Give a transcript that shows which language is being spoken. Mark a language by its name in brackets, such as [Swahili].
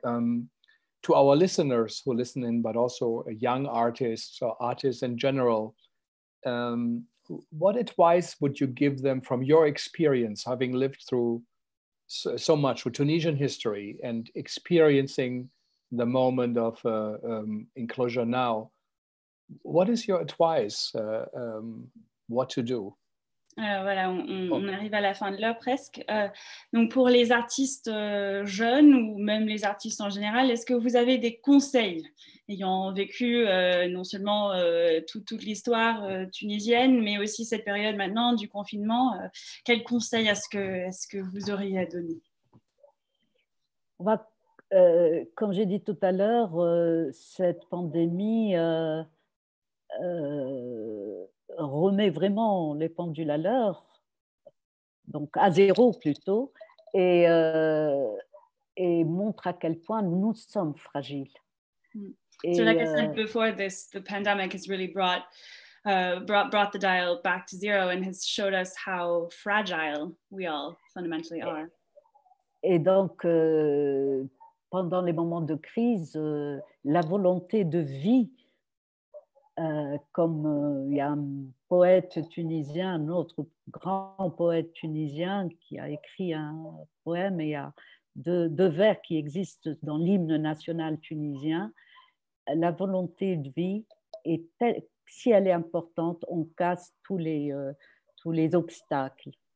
[English] To our listeners who listen in, but also young artists or artists in general, what advice would you give them from your experience, having lived through so much with Tunisian history and experiencing the moment of enclosure now? What is your advice? What to do? [French] Voilà, on arrive à la fin de l'heure presque. Donc pour les artistes jeunes ou même les artistes en général, est-ce que vous avez des conseils, ayant vécu non seulement toute l'histoire tunisienne, mais aussi cette période maintenant du confinement, quels conseils est-ce que vous auriez à donner? Comme j'ai dit tout à l'heure, cette pandémie remet vraiment les pendules à l'heure, donc à zéro plutôt, et montre à quel point nous sommes fragiles. [English] So like I said before, this the pandemic has really brought the dial back to zero and has showed us how fragile we all fundamentally are. [French] Et donc, pendant les moments de crise, la volonté de vie, comme il y a un poète tunisien, un autre grand poète tunisien qui a écrit un poème, et il y a deux vers qui existent dans l'hymne national tunisien, la volonté de vie, est telle, si elle est importante, on casse tous les obstacles.